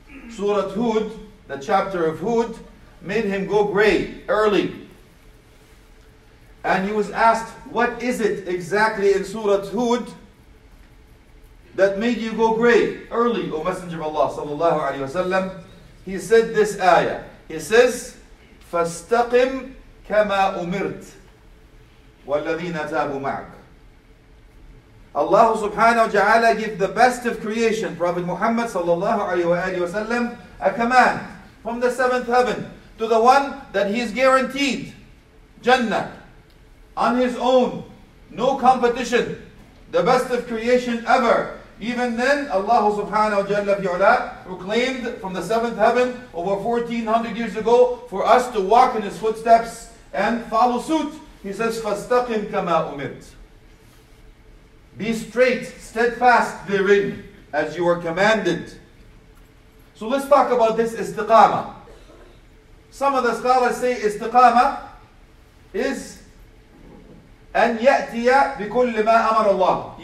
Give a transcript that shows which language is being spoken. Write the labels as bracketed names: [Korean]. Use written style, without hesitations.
[English] Surah Hud, the chapter of Hud, made him go gray early. And he was asked, what is it exactly in Surah Hud that made you go gray early, O Messenger of Allah sallallahu alayhi wa sallam? He said this ayah. He says, [Arabic] فَاسْتَقِمْ كَمَا أُمِرْتْ وَالَّذِينَ تَابُوا مَعْكَ. [English] Allah subhanahu wa ta'ala give the best of creation, Prophet Muhammad sallallahu alayhi wa sallam, a command from the seventh heaven to the one that he is guaranteed Jannah on his own, no competition, the best of creation ever. Even then, Allah subhanahu wa ta'ala proclaimed from the seventh heaven over 1400 years ago for us to walk in his footsteps and follow suit. He says, [Arabic] فَاسْتَقِمْ كَمَا أُمِرْتْ. [English] Be straight, steadfast therein, as you are commanded. So let's talk about this istiqamah. Some of the scholars say istiqamah is [Arabic] أن يأتي بكل ما أمر الله.